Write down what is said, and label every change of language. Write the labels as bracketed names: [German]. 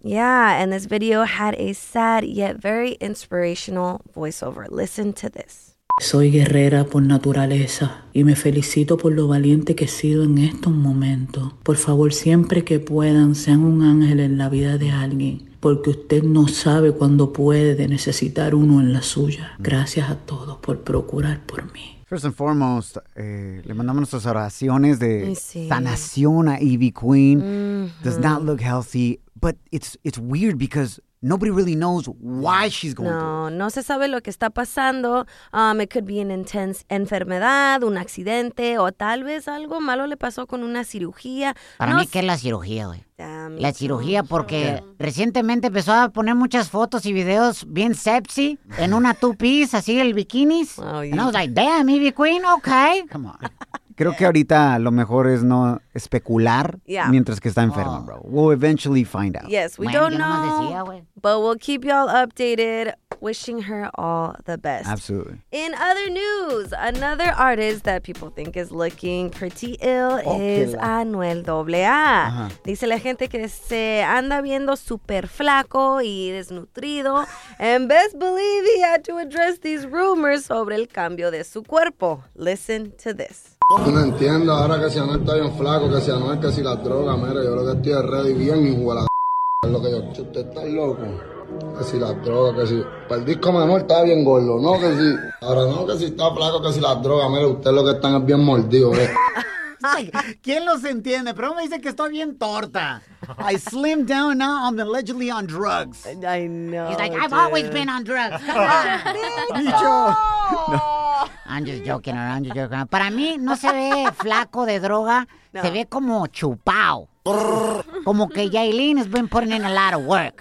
[English] Yeah, and this video had a sad yet very inspirational voiceover. Listen to this. [Spanish] Soy guerrera por naturaleza y me felicito por lo valiente que he sido en estos momentos. Por favor, siempre que puedan, sean un ángel en la vida de alguien. Porque usted no sabe cuándo puede necesitar uno en la suya. Gracias a todos por procurar por mí. [English] First and foremost, [Spanish] le mandamos nuestras oraciones de sanación a Ivy Queen. Mm-hmm. [English] Does not look healthy, but it's weird because nobody really knows why she's going through. [Spanish] No se sabe lo que está pasando. [English] It could be an intense [Spanish] enfermedad, un accidente, o tal vez algo malo le pasó con una cirugía. Para mí, ¿qué es la cirugía, güey? La cirugía, porque recientemente empezó a poner muchas fotos y videos bien sexy en una two-piece, así el bikinis. [English] Oh, yeah. And I was like, damn, Ivy Queen, okay. Come on. [Spanish] Creo que ahorita lo mejor es no especular mientras que está enfermo, bro. [English] We'll eventually find out. Yes, we don't know, but we'll keep y'all updated. Wishing her all the best. Absolutely. In other news, another artist that people think is looking pretty ill is Anuel AA. [Spanish] Uh-huh. Dice la gente que se anda viendo super flaco y desnutrido. [English] And best believe he had to address these rumors [Spanish] sobre el cambio de su cuerpo. [English] Listen to this. [Spanish] No entiendo ahora que si Anuel está bien flaco, que si Anuel, que si la droga, mira, yo creo que estoy ready bien y juega la es lo que yo, usted está loco, que si la droga, que si, para el disco Manuel estaba bien gordo, no, que si, ahora no, que si está flaco, que si la droga, mira, usted lo que están es bien mordido, ¿eh? Ay, ¿quién los entiende? Pero me dice que estoy bien torta. [English] I slimmed down, now I'm allegedly on drugs. I know. He's like, dude. I've always been on drugs. [Spanish] Dicho. [English] I'm just joking around, I'm just joking. [Spanish] Para mí no se ve flaco de droga, no. Se ve como chupao. Como que [English] Yailin has been putting in a lot of work.